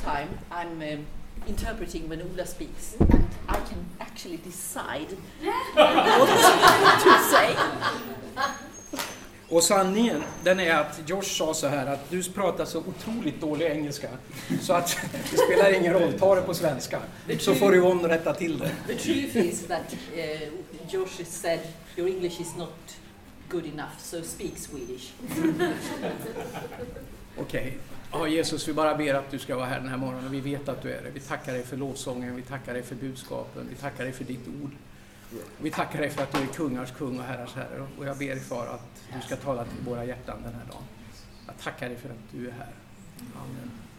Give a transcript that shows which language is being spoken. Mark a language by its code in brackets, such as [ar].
[en] I'm interpreting when Ola speaks, and I can actually decide what to say. [sv] Och sanningen, den är att Josh sa så här att du pratar så otroligt dålig engelska så att det spelar ingen roll, ta det på svenska. Så får du om rätta till det. [en] The truth is that Josh said your English is not good enough, so speak Swedish. Okej. Okay. [sv] Ja, Jesus, vi bara ber att du ska vara här den här morgonen. Vi vet att du är det. Vi tackar dig för lovsången, vi tackar dig för budskapen, vi tackar dig för ditt ord. Vi tackar dig för att du är kungars kung och herrars herre. Och jag ber dig, far, att du ska tala till våra hjärtan den här dagen. Jag tackar dig för att du är här. Amen.